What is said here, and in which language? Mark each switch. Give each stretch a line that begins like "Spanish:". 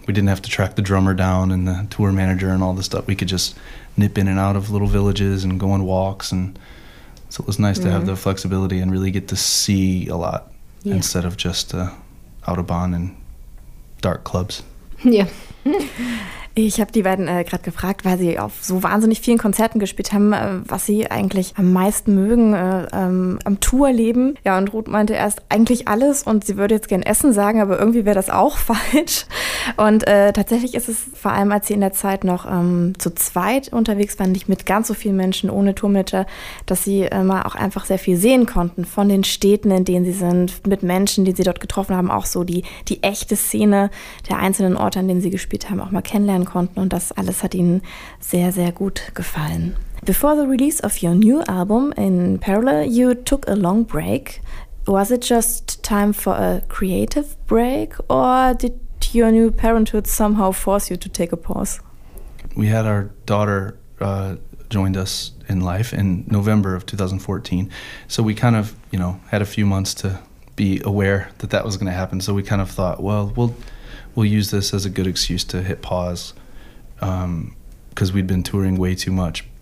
English: We didn't have to track the drummer down and the tour manager and all this stuff. We could just nip in and out of little villages and go on walks, and so it was nice to have the flexibility and really get to see a lot instead of just Autobahn and dark clubs. Yeah.
German: Ich habe die beiden gerade gefragt, weil sie auf so wahnsinnig vielen Konzerten gespielt haben, was sie eigentlich am meisten mögen am Tourleben. Ja, und Ruth meinte erst eigentlich alles und sie würde jetzt gern Essen sagen, aber irgendwie wäre das auch falsch. Und tatsächlich ist es vor allem, als sie in der Zeit noch zu zweit unterwegs waren, nicht mit ganz so vielen Menschen ohne Tourmanager, dass sie mal auch einfach sehr viel sehen konnten von den Städten, in denen sie sind, mit Menschen, die sie dort getroffen haben, auch so die echte Szene der einzelnen Orte, an denen sie gespielt haben, auch mal kennenlernen konnten, und das alles hat ihnen sehr, sehr gut gefallen.
English: Before the release of your new album in Parallel, you took a long break. Was it just time for a creative break, or did your new parenthood somehow force you to take a pause? We had our daughter joined us in life in November of 2014, so we kind of, you know, had a few months to be aware that that was going to happen, so we kind of thought, well, we'll use this as a good excuse to hit pause, because we'd been touring way too much.